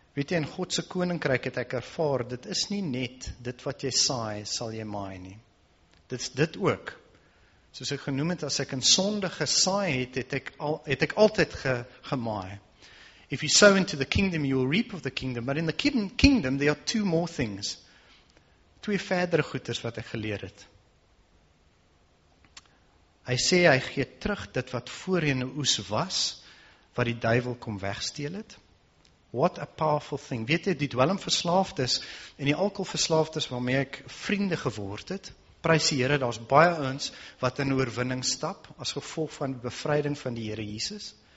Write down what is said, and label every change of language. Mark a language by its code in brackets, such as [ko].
[af] Weet jy, in Godse koninkryk het ek ervaar, dit is nie net dit wat jy saai, sal jy maai nie. Dit is dit ook. Soos ek genoem het, as ek in sonde gesaai het, het ek altyd gemaai. [en] If you sow into the kingdom, you will reap of the kingdom. But in the kingdom, there are two more things. [af] Twee verdere goeders wat ek geleer het. Hy sê, hy gee terug dit wat voorheen oes was, wat die duivel kom wegsteel het. [en] What a powerful thing. [af] Weet jy, die dwelmverslaafdes en die alkoholverslaafdes waarmee ek vriende geword het, prys die Here, daar is baie ons wat in oorwinning stap, as gevolg van die bevryding van die Here Jesus.